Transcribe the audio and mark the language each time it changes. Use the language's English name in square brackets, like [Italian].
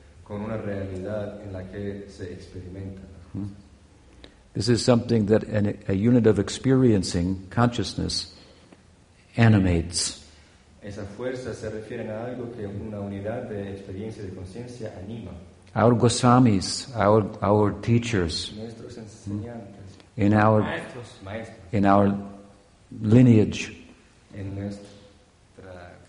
[Spanish] Con una realidad en la que se experimenta. [English] This is something that a unit of experiencing consciousness animates. [Spanish] Esa fuerza se refiere a algo que una unidad de experiencia de conciencia anima. [English] Our Goswamis, our teachers, [Spanish] nuestros enseñantes, [English] in our [Spanish] maestros, [English] in our lineage, [Spanish] en nuestra